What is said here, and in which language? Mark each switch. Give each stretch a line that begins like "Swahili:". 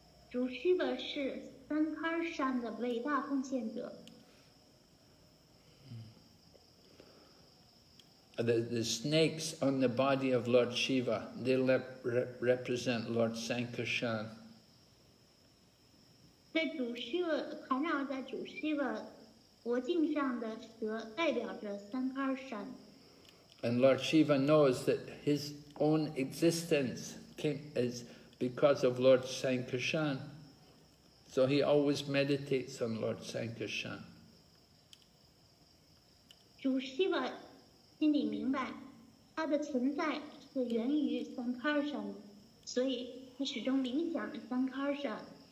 Chinese: 主 Shiva 是 Sankarshan 的伟大奉献者。
English: The snakes on the body of Lord Shiva, they represent Lord Sankarshan.
Chinese: 在主 Shiva 缠绕在主 Shiva 脖颈上的蛇代表着三块闪。
English: And Lord Shiva knows that his own existence came is because of Lord Sankarshan. So he always meditates on Lord Sankarshan.
Chinese: 主 Shiva 心里明白，他的存在是源于 Sankarshan， 所以他始终冥想 Sankarshan。